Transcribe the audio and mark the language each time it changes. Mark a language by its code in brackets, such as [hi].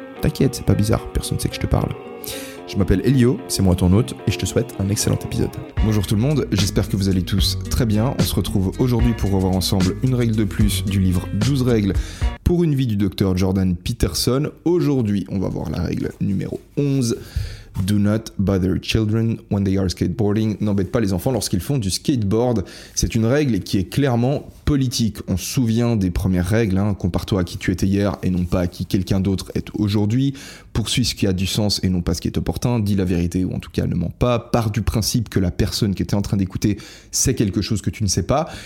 [fr] T'inquiète, c'est pas bizarre, personne sait que je te parle. Je m'appelle Elio, c'est moi ton hôte, et je te souhaite un excellent épisode. Bonjour tout le monde, j'espère que vous allez tous très bien. On se retrouve aujourd'hui pour revoir ensemble une règle de plus du livre 12 règles pour une vie du docteur Jordan Peterson. Aujourd'hui, on va voir la règle numéro 11. [en] Do not bother children when they are skateboarding. [fr] N'embête pas les enfants lorsqu'ils font du skateboard. C'est une règle qui est clairement politique. On se souvient des premières règles, hein, compare-toi à qui tu étais hier et non pas à qui quelqu'un d'autre est aujourd'hui. Poursuis ce qui a du sens et non pas ce qui est opportun. Dis la vérité ou en tout cas ne mens pas. Pars du principe que la personne qui était en train d'écouter sait quelque chose que tu ne sais pas.